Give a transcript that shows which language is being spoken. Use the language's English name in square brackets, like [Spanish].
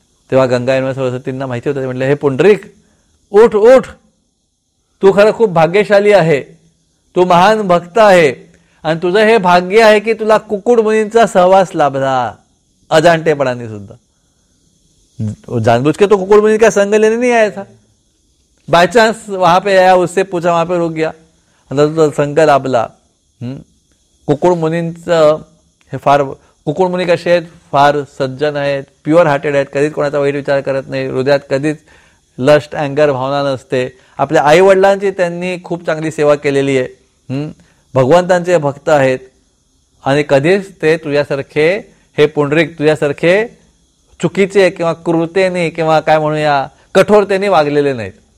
[Marathi] तेव्हा गंगा यमुना सरस्वतींना माहिती होतं, म्हटलं, हे पुंडरीक उठ उठ, तू खरं खूप भाग्यशाली आहे, तू महान भक्त आहे, आणि तुझं हे भाग्य आहे की तुला कुकुड मुनींचा सहवास लाभला अजाणतेपणाने सुद्धा. [Hindi] जाणबूज के तो कुकुड मुनी का संघ लेने नाही आया था, बाय चान्स वहां पे आया, उससे पूछा, वहां पे रुक गया, [Marathi] आता तुझा संघ लाभला. कुकुड मुनींचं हे फार, कुकुड मुनी कसे आहेत, फार सज्जन आहेत, प्युअर हार्टेड आहेत, कधीच कोणाचा वाईट विचार करत नाही, हृदयात कधीच लस्ट अँगर भावना नसते, आपल्या आई वडिलांची त्यांनी खूप चांगली सेवा केलेली आहे, भगवंतांचे भक्त आहेत, आणि कधीच ते तुझ्यासारखे, हे पुंडरीक तुझ्यासारखे चुकीचे किंवा कृतेने किंवा काय म्हणूया कठोरतेने वागलेले नाहीत.